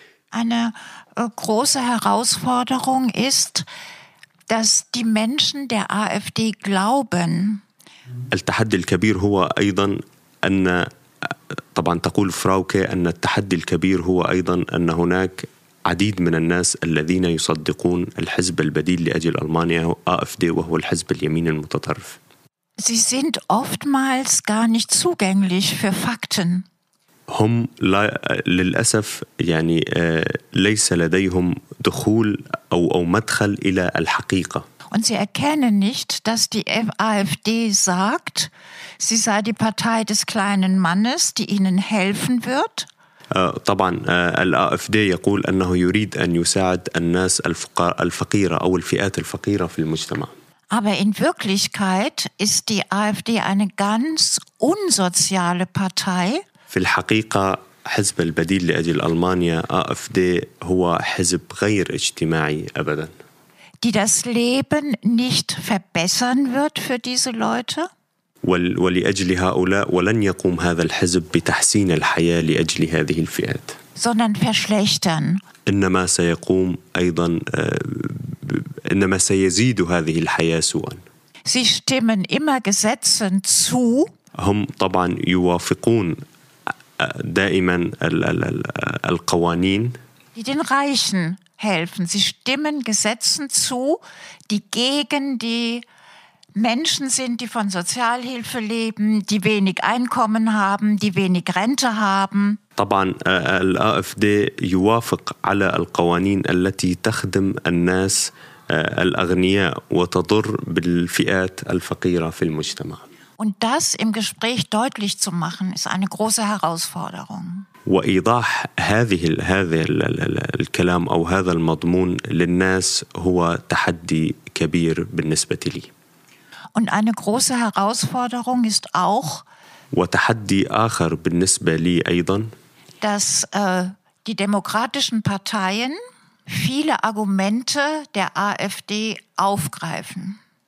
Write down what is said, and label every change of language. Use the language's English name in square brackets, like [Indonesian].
[Arabic] أنا [German] große Herausforderung ist, dass die Menschen der AfD glauben. [Arabic] التحدي الكبير هو أيضا أن طبعا تقول فراوكي أن التحدي الكبير هو أيضا أن هناك عديد من الناس الذين يصدقون الحزب البديل لأجل ألمانيا هو AfD وهو الحزب اليمين المتطرف. [German] Sie sind oftmals gar nicht zugänglich für Fakten. [Arabic] هم لا للأسف يعني ليس لديهم دخول أو مدخل إلى الحقيقة. [German] Und sie erkennen nicht, dass die AfD sagt, sie sei die Partei des kleinen Mannes, die ihnen helfen wird. [Arabic] طبعا الAfD يقول أنه يريد أن يساعد الناس الفقيرة أو الفئات الفقيرة في المجتمع. [German] Aber in Wirklichkeit ist die AfD eine ganz unsoziale Partei. [Arabic] في الحقيقة حزب البديل لأجل ألمانيا AfD هو حزب غير اجتماعي أبدا. [German] Die das Leben nicht verbessern wird für diese Leute. [Arabic] ولأجل هؤلاء ولن يقوم هذا الحزب بتحسين الحياة لأجل هذه الفئات. [German] Sondern verschlechtern. [Arabic] إنما سيقوم أيضا إنما سيزيد هذه الحياة سوءا. [German] Sie stimmen immer Gesetzen zu. [Arabic] هم طبعا يوافقون دائما القوانين. [German] Die den Reichen helfen. Sie stimmen Gesetzen zu, die gegen die Menschen sind, die von Sozialhilfe leben, die wenig Einkommen haben, die wenig Rente haben. [Arabic] طبعا الAfD يوافق على القوانين التي تخدم الناس الأغنياء وتضر بالفئات الفقيرة في المجتمع. [German] Und das im Gespräch deutlich zu machen, ist eine große Herausforderung. [Arabic] وإيضاح هذه الكلام أو هذا المضمون للناس هو تحدي كبير بالنسبة لي. [German] Und eine große Herausforderung ist auch. [Arabic] وتحدي آخر بالنسبة لي أيضا. [German] Dass die demokratischen Parteien viele Argumente der AfD aufgreifen.